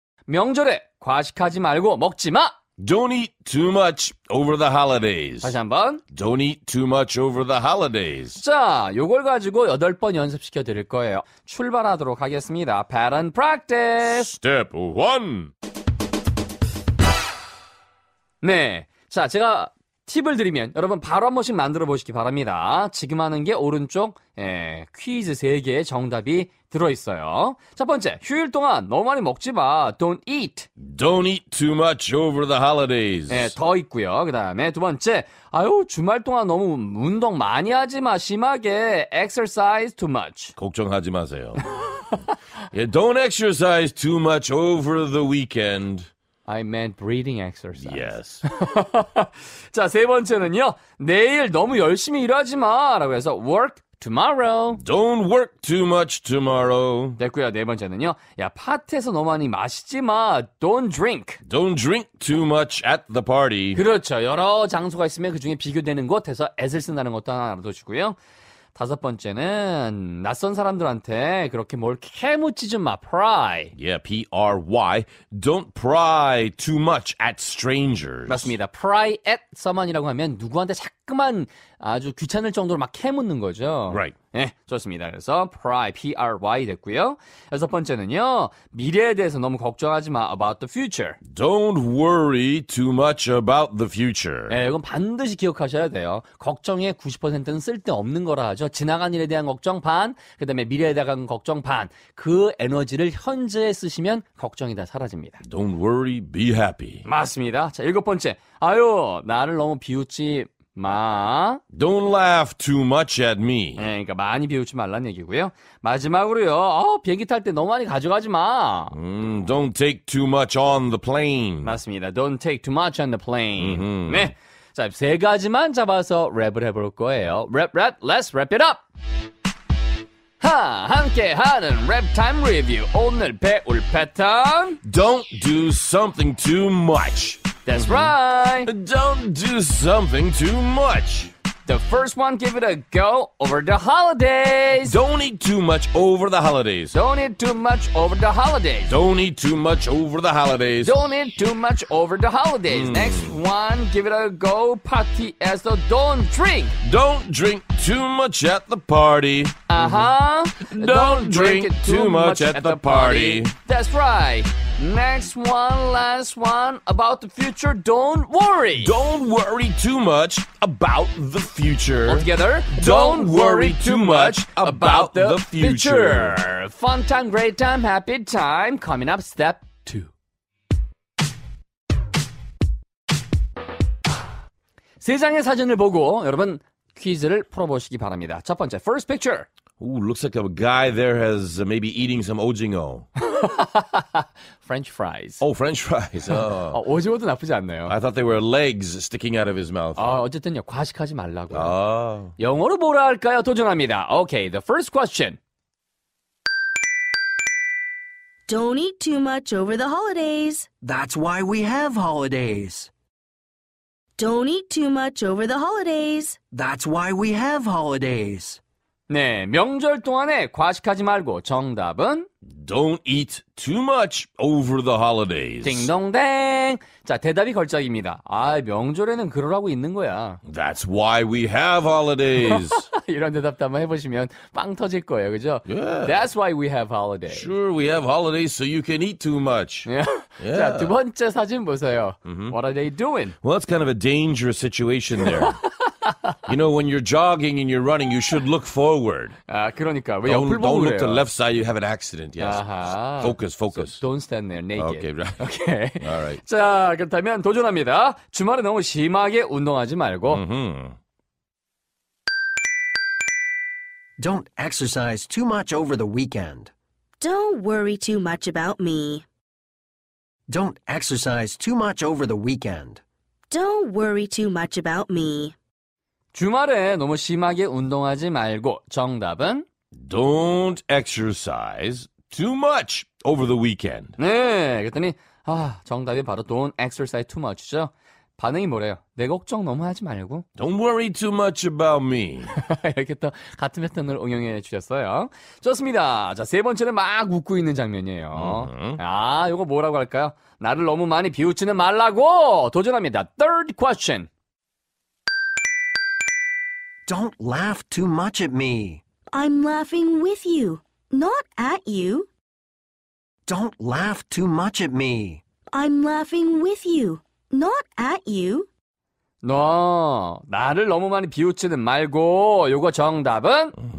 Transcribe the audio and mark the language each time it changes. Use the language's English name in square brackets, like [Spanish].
[Korean] 명절에 과식하지 말고 먹지 마. [English] Don't eat too much over the holidays. [Korean] 다시 한번. [English] Don't eat too much over the holidays. [Korean] 자, 요걸 가지고 8번 연습시켜 드릴 거예요. 출발하도록 하겠습니다. [English] Pattern practice. Step 1. [Korean] 네. 자, 제가 팁을 드리면 여러분 바로 한 번씩 만들어 보시기 바랍니다. 지금 하는 게 오른쪽 퀴즈 세 개의 정답이 들어 있어요. 첫 번째, 휴일 동안 너무 많이 먹지 마. [English] Don't eat. Don't eat too much over the holidays. [Korean] 네, 더 있고요. 그다음에 두 번째, 아유 주말 동안 너무 운동 많이 하지 마. 심하게 [English] exercise too much. [Korean] 걱정하지 마세요. [English] Yeah, don't exercise too much over the weekend. I meant breathing exercise. Yes. [Korean] 자, 세 번째는요. 내일 너무 열심히 일하지 마. 라고 해서 [English] work tomorrow. Don't work too much tomorrow. [Korean] 됐고요. 네 번째는요. 야, 파티에서 너무 많이 마시지 마. [English] Don't drink. Don't drink too much at the party. [Korean] 그렇죠. 여러 장소가 있으면 그 중에 비교되는 곳에서 as을 쓴다는 것도 하나 알아두시고요. 다섯 번째는 낯선 사람들한테 그렇게 뭘 캐묻지 좀 마. [English] Pry. Yeah, P-R-Y. Don't pry too much at strangers. [Korean] 맞습니다. [English] Pry at someone [Korean] 이라고 하면 누구한테 자꾸만 아주 귀찮을 정도로 막 캐묻는 거죠. [English] Right. [Korean] 네, 좋습니다. 그래서 pry, P-R-Y 됐고요. 여섯 번째는요. 미래에 대해서 너무 걱정하지 마. [English] About the future. Don't worry too much about the future. [Korean] 네, 이건 반드시 기억하셔야 돼요. 걱정의 90%는 쓸데없는 거라 하죠. 지나간 일에 대한 걱정 반, 그다음에 미래에 대한 걱정 반. 그 에너지를 현재에 쓰시면 걱정이 다 사라집니다. [English] Don't worry, be happy. [Korean] 맞습니다. 자, 일곱 번째. 아유, 나를 너무 비웃지 마. [English] Don't laugh too much at me. [Korean] 네, 그러니까 많이 비웃지 말란 얘기고요. 마지막으로요. 비행기 탈 때 너무 많이 가져가지 마. [English] Don't take too much on the plane. 맞습니다. Don't take too much on the plane. Mm-hmm. [Korean] 네. 자, 세 가지만 잡아서 랩을 해볼 거예요. [English] Rap, rap, let's wrap it up. [Korean] 하, 함께하는 랩 타임 리뷰. 오늘 배울 패턴. [English] Don't do something too much. That's right. Don't do something too much. The first one, give it a go over the holidays. Don't eat too much over the holidays. Don't eat too much over the holidays. Don't eat too much over the holidays. Don't eat too much over the holidays. Mm. Next one, give it a go. Party as though don't drink. Don't drink too much at the party. Uh-huh. Don't drink too much at the party. That's right. Next one, last one, about the future, don't worry. Don't worry too much about the future. All together. Don't worry too much about the future. Fun time, great time, happy time. Coming up, step two. [Korean] 세상의 사진을 보고 여러분 퀴즈를 풀어보시기 바랍니다. 첫 번째, [English] first picture. Ooh, looks like a guy there has maybe eating some ojingo. French fries. Oh, French fries. Oh. [Korean] 오징어도 나쁘지 않네요. [English] I thought they were legs sticking out of his mouth. [Korean] 어쨌든요, 과식하지 말라고요. Oh. 영어로 뭐라 할까요? 도전합니다. [English] Okay, the first question. Don't eat too much over the holidays. That's why we have holidays. Don't eat too much over the holidays. That's why we have holidays. [Korean] 네, 명절 동안에 과식하지 말고 정답은 [English] Don't eat too much over the holidays. [Korean] 딩동댕. 자, 대답이 걸작입니다. 아, 명절에는 그러라고 있는 거야. [English] That's why we have holidays. [Korean] 이런 대답도 한번 해보시면 빵 터질 거예요, 그죠? [English] Yeah. That's why we have holidays. Sure, we have holidays so you can eat too much. [Korean] Yeah. 자, 두 번째 사진 보세요. Mm-hmm. [English] What are they doing? Well, that's kind of a dangerous situation there. You know, when you're jogging and you're running, you should look forward. [Korean] 아, 그러니까. [English] Don't look to the left side, you have an accident. Yes. Uh-huh. Focus, focus. So don't stand there naked. Okay, right. Okay. All right. [Korean] 자, 그렇다면 도전합니다. 주말에 너무 심하게 운동하지 말고. [English] Don't exercise too much over the weekend. Don't worry too much about me. Don't exercise too much over the weekend. Don't worry too much about me. [Korean] 주말에 너무 심하게 운동하지 말고 정답은 [English] Don't exercise too much over the weekend. [Korean] 네, 그랬더니 정답이 바로 [English] Don't exercise too much [Korean] 죠. 반응이 뭐래요? 내 걱정 너무 하지 말고. [English] Don't worry too much about me. [Korean] 이렇게 또 같은 패턴을 응용해 주셨어요. 좋습니다. 자, 세 번째는 막 웃고 있는 장면이에요. Uh-huh. 아, 이거 뭐라고 할까요? 나를 너무 많이 비웃지는 말라고 도전합니다. [English] Third question. Don't laugh too much at me. I'm laughing with you, not at you. Don't laugh too much at me. I'm laughing with you. Not at you. [Korean] 너 나를 너무 많이 비웃지는 말고 요거 정답은